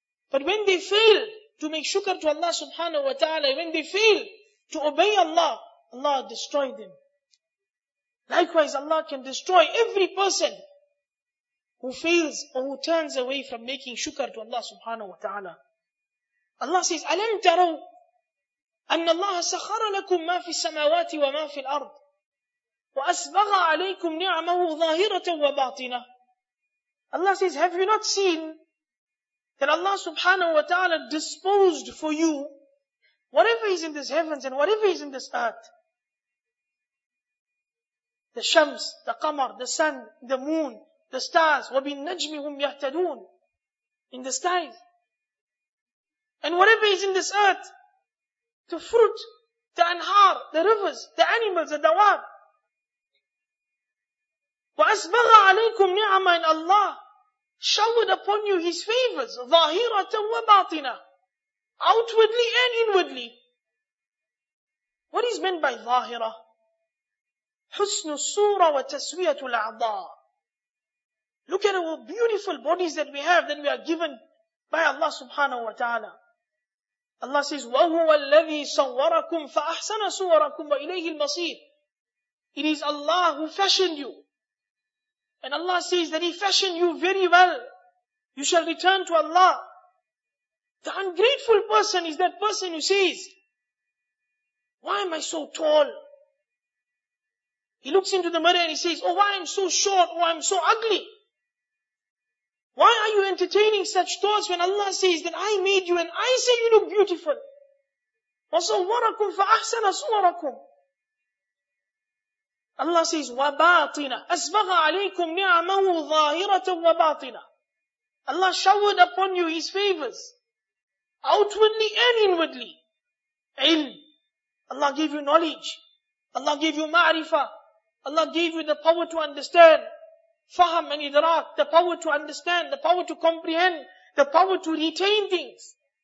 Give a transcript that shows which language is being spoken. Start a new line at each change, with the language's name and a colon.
English: But when they failed to make shukr to Allah subhanahu wa ta'ala, when they failed to obey Allah, Allah destroyed them. Likewise, Allah can destroy every person who fails or who turns away from making shukr to Allah subhanahu wa ta'ala. Allah says,
Arabic: أَلَمْ تَرَوْا أَنَّ اللَّهَ سَخَرَ لَكُمْ مَا فِي السَّمَاوَاتِ وَمَا فِي الْأَرْضِ وَأَسْبَغَ عَلَيْكُمْ نِعْمَهُ ظَاهِرَةً وَبَاطِنَةً.
English: Allah says, have you not seen that Allah subhanahu wa ta'ala disposed for you whatever is in this heavens and whatever is in this earth? The shams, the qamar, the sun, the moon, the stars,
Arabic: وَبِن نَجْمِهُمْ يَهْتَدُونَ,
English: in the skies. And whatever is in this earth, the fruit, the anhar, the rivers, the animals, the dawab.
Arabic: وَأَسْبَغَ عَلَيْكُمْ نِعَمَا,
English: in Allah showered upon you His favors,
Arabic: ظَاهِرَةً وَبَاطِنَةً,
English: outwardly and inwardly. What is meant by ظَاهِرَةً?
Arabic: حُسْنُ السُّورَ وَتَسْوِيَةُ الْأَعْضَىٰ.
English: Look at our beautiful bodies that we have, that we are given by Allah subhanahu wa ta'ala. Allah says,
Arabic: وَهُوَ الَّذِي صَوَّرَكُمْ فَأَحْسَنَ صُوَرَكُمْ وَإِلَيْهِ الْمَصِيرِ.
English: It is Allah who fashioned you. And Allah says that He fashioned you very well. You shall return to Allah. The ungrateful person is that person who says, why am I so tall? He looks into the mirror and he says, oh, why I'm so short, oh, I'm so ugly. Why are you entertaining such thoughts when Allah says that I made you and I say you look beautiful?
Arabic: وَصَوَّرَكُمْ فَأَحْسَنَ صُوَرَكُمْ.
English: Allah says,
Arabic: وَبَاطِنَا أَسْبَغَ عَلَيْكُمْ نِعْمَهُ ظَاهِرَةً وَبَاطِنَا.
English: Allah showered upon you His favors, outwardly and inwardly.
Arabic: عِلْم.
English: Allah gave you knowledge. Allah gave you ma'rifah. Allah gave you the power to understand. Faham and idraq, the power to understand, the power to comprehend, the power to retain things.